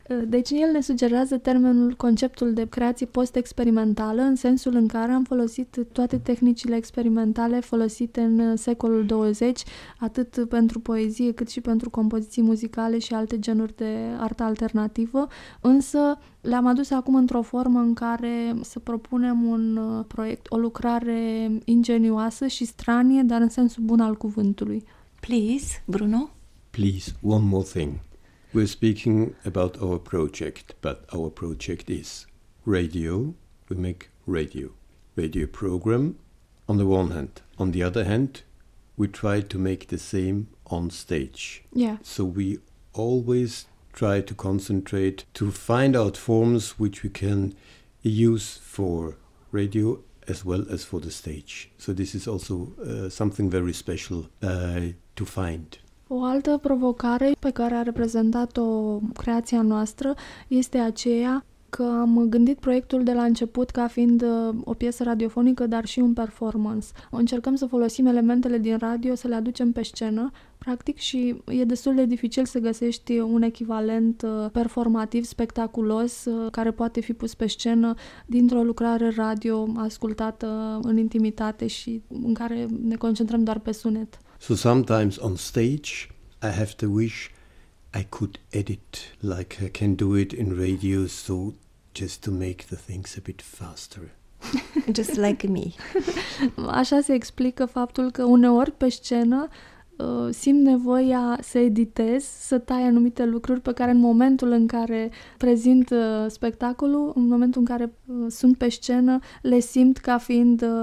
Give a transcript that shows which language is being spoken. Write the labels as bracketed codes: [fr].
[ro] Deci el ne sugerează termenul, conceptul de creație post-experimentală, în sensul în care am folosit toate tehnicile experimentale folosite în secolul 20, atât pentru poezie cât și pentru compoziții muzicale și alte genuri de artă alternativă, însă le-am adus acum într-o formă în care să propunem un proiect, o lucrare ingenioasă și stranie, dar în sensul bun al cuvântului. [en] Please, Bruno? Please, one more thing. We're speaking about our project, but our project is radio. We make radio. Radio program, on the one hand. On the other hand, we try to make the same on stage. Yeah. So we always try to concentrate to find out forms which we can use for radio as well as for the stage. So this is also something very special to find. [ro] O altă provocare pe care a reprezentat-o creația noastră este aceea că am gândit proiectul de la început ca fiind o piesă radiofonică, dar și un performance. Încercăm să folosim elementele din radio, să le aducem pe scenă, practic, și e destul de dificil să găsești un echivalent performativ, spectaculos, care poate fi pus pe scenă dintr-o lucrare radio ascultată în intimitate și în care ne concentrăm doar pe sunet. [en] So sometimes on stage I have the wish I could edit like I can do it in radio, so just to make the things a bit faster. Just like me. [ro] Așa se explică faptul că uneori pe scenă simt nevoia să editez, să tai anumite lucruri pe care în momentul în care prezint spectacolul, în momentul în care sunt pe scenă, le simt ca fiind